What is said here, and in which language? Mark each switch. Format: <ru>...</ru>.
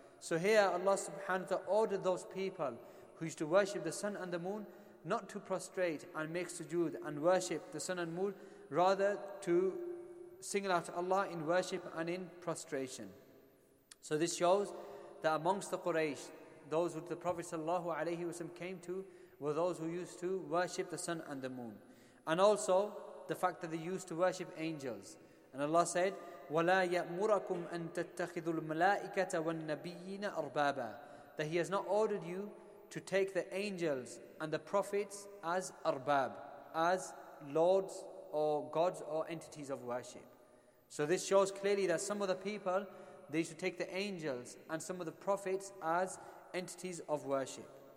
<en>So here Allah subhanahu wa ta'ala ordered those people who used to worship the sun and the moon not to prostrate and make sujood and worship the sun and moon, rather to single out Allah in worship and in prostration. So this shows that amongst the Quraysh, those who the Prophet sallallahu alayhi wasallam came to were those who used to worship the sun and the moon. And also the fact that they used to worship angels. And Allah said,</en> <ar>وَلَا يَأْمُرَكُمْ أَن تَتَّخِذُوا الْمَلَائِكَةَ وَالنَّبِيِّينَ أَرْبَابًا.</ar> <en>That he has not ordered you to take the angels and the prophets as arbab, as lords or gods or entities of worship. So this shows clearly that some of the people, they should take the angels and some of the prophets as entities of worship.</en>